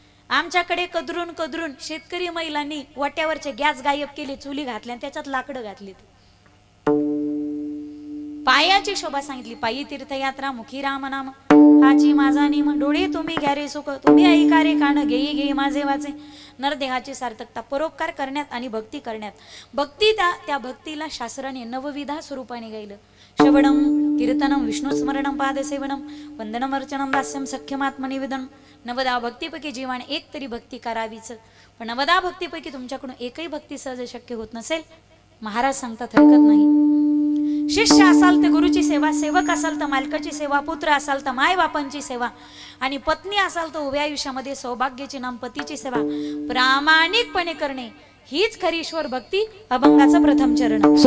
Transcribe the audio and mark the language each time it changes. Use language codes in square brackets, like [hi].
[mr] आमच्याकडे कदरून कदरून शेतकरी महिलांनी वट्यावरचे गॅस गायब केले, चुली घातल्या, त्याच्यात लाकडं घातली, पायाची शोभा सांगितली. पायी तीर्थयात्रा मुखी राम नाम आजी माझा नेम, डोळे तुम्ही घ्यारे सुख, तुम्ही ऐकारे कान, घेई घेई माझे वाचे. नरदेहाची सार्थकता परोपकार करण्यात आणि भक्ती करण्यात, भक्ती त्या भक्तीला शास्त्राने नवविधा स्वरूपाने गायलं. [sa] श्रवणम कीर्तनम विष्णु स्मरणम पादसेवनम वंदनम अर्चनम दास्यम सख्यम आत्मनिवेदन. [mr] नवदा भक्तीपैकी जीवाने एक तरी भक्ती करावीच, पण नवदा भक्तीपैकी तुमच्याकडून एकही भक्ती सहज शक्य होत नसेल, महाराज सांगतात हरकत नाही. शिष्य असाल तर गुरुची सेवा, सेवक असाल तर मालकाची सेवा, पुत्र असाल तर माय बापांची सेवा, आणि पत्नी असाल तर उभ्या आयुष्यामध्ये सौभाग्याची नाम पतीची सेवा प्रामाणिकपणे करणे, हीच खरी ईश्वर भक्ती, अभंगाचं प्रथम चरण.